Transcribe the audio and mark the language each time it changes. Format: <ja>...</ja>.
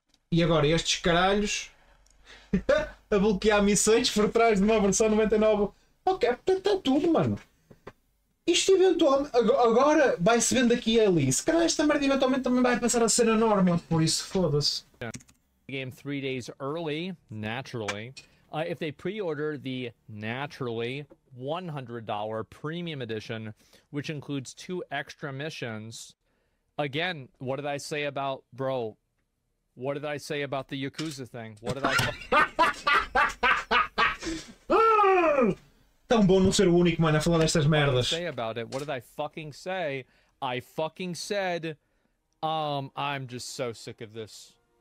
<pt>E agora estes caralhos a bloquear missões por trás de uma versão 99. Ok, portanto está tudo, mano. Isto eventualmente agora vai-se vendo aqui e ali. Se calhar esta merda eventualmente também vai passar a ser a norma, por isso foda-se.</pt> <en>Game 3 days early, naturally. If they pre-order the naturally $100 premium edition, which includes two extra missions. Again, what did I say about, bro? What did I say about the Yakuza thing? What did I</en> <pt>Tão bom não ser o único, mano, a falar destas merdas.</pt> <en>What did I say about it? What did I fucking say? I fucking said, I'm just so sick of this.</en>